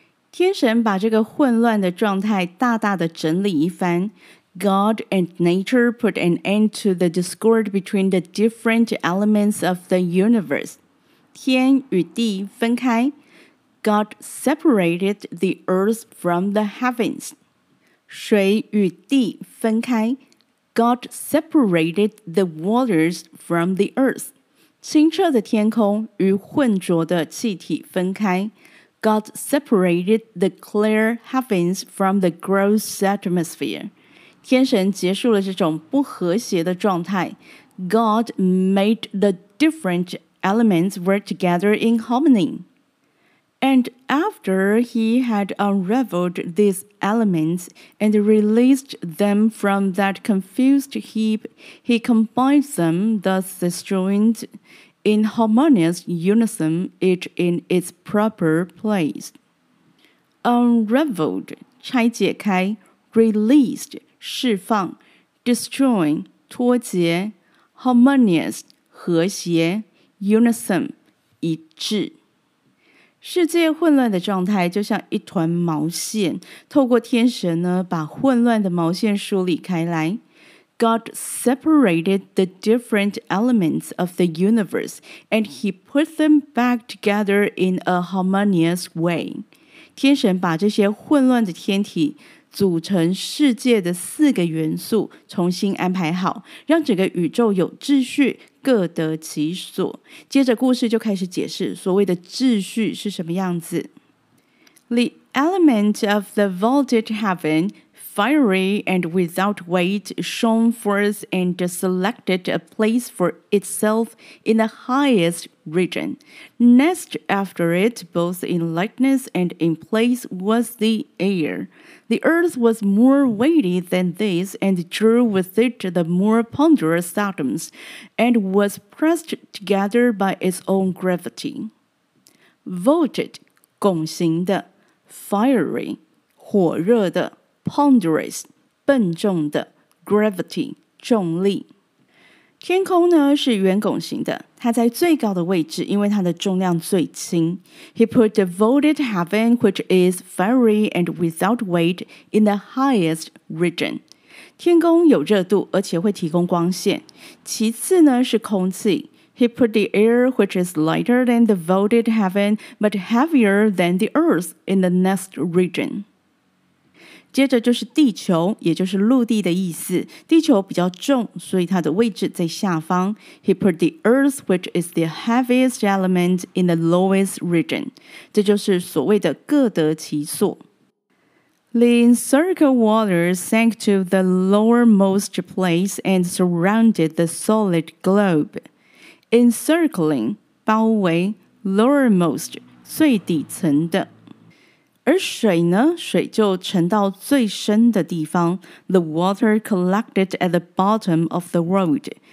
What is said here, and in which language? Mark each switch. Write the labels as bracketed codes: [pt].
[zh] 天神把这个混乱的状态大大的整理一番。 [en] God and nature put an end to the discord between the different elements of the universe. [zh] 天与地分开。 [en] God separated the earth from the heavens. [zh] 水与地分开。 [en] God separated the waters from the earth. [zh] 清澈的天空与浑浊的气体分开。 [en] God separated the clear heavens from the gross atmosphere. [zh] 天神结束了这种不和谐的状态。 [en] God made the different elements work together in harmony. And after he had unraveled these elements and released them from that confused heap, he combined them, thus destroying in harmonious unison, each in its proper place. Unraveled, 拆解开, released, 释放, destroying, 脱节, harmonious, 和谐, unison, 一致。 [zh] 世界混乱的状态就像一团毛线，透过天神呢，把混乱的毛线梳理开来。 [en] God separated the different elements of the universe, and he put them back together in a harmonious way. [zh] 天神把这些混乱的天体组成世界的四个元素重新安排好，让整个宇宙有秩序，各得其所。接着故事就开始解释所谓的秩序是什么样子。 [en] The element of the vaulted heaven,Fiery and without weight, shone forth and selected a place for itself in the highest region. Next after it, both in lightness and in place, was the air. The earth was more weighty than this, and drew with it the more ponderous atoms, and was pressed together by its own gravity. Vaulted, 拱形的, fiery, 火热的。 Ponderous, 笨重的, gravity, 重力。 [zh] 天空呢是圆拱形的，它在最高的位置，因为它的重量最轻。 [en] He put the vaulted heaven, which is fiery and without weight, in the highest region. [zh] 天空有热度，而且会提供光线。其次呢是空气。 [en] He put the air, which is lighter than the vaulted heaven, but heavier than the earth, in the next region. [zh] 接着就是地球，也就是陆地的意思。地球比较重，所以它的位置在下方。 [en] He put the earth, which is the heaviest element, in the lowest region. [zh] 这就是所谓的各得其所。 [en] The encircled waters sank to the lowermost place and surrounded the solid globe. Encircling, [zh] 包围, lowermost, 最底层的。而水呢，水就沉到最深的地方。 [en] The water collected at the bottom of the world,